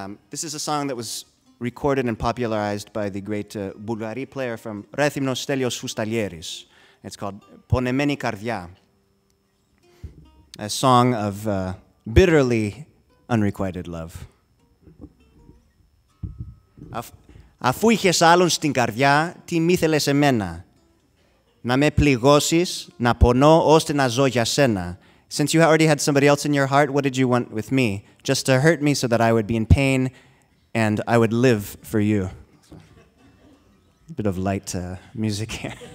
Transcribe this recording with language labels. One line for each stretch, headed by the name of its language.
English: This is a song that was recorded and popularized by the great boulgari player from Rethymnos Stelios Fustalieris. It's called Ponemeni Kardia, a song of bitterly unrequited love.
Greek: Αφού είχες άλλον στην καρδιά, τι μ' ήθελες εμένα? Να με πληγώσεις, να πονώ, ώστε να ζω για σένα.
English: Since you already had somebody else in your heart, what did you want with me? Just to hurt me so that I would be in pain and I would live for you. A bit of light music here.